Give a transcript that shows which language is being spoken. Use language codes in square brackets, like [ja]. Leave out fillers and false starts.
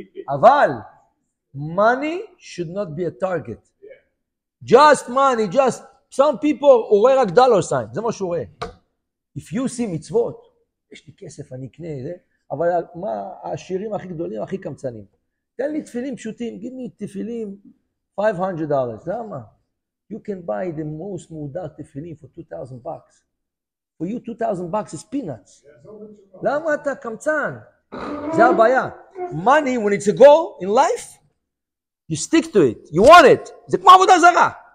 [en] Aval, money should not be a target. Just money, just some people who wear a dollar sign. If you see mitzvot, [he] יש לי כסף, אני אקנה, אבל מה השירים הכי גדולים, הכי קמצנים? תן לי תפילים פשוטים, [en] give me [he] תפילים $500, למה? [en] You can buy the most מודעת תפילים for $2,000. For you, $2,000 is peanuts. [he] למה אתה קמצן? זה הבעיה. [en] Money, when it's a goal in life, you stick to it, you want it. [he] זה כמו עבודה זרה.